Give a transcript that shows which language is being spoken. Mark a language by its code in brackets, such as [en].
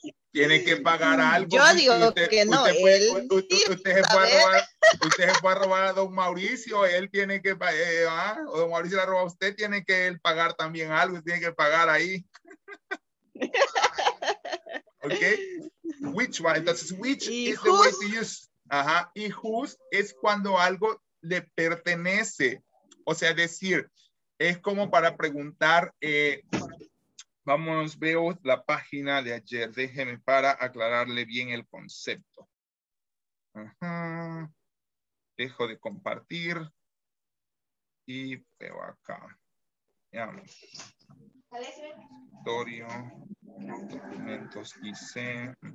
[es] Tiene que pagar algo. Yo digo usted, que no, usted se puede robar a don Mauricio, él tiene que pagar, o don Mauricio la roba a usted, tiene que él pagar también algo, tiene que pagar ahí. ¿Ok? [en] Which one, entonces, which is the way to use? [es] Ajá, y whose es cuando algo le pertenece, o sea, decir, es como para preguntar, vamos, veo la página de ayer, déjeme para aclararle bien el concepto. Ajá, dejo de compartir y veo acá, veamos, escritorio, documentos, dice,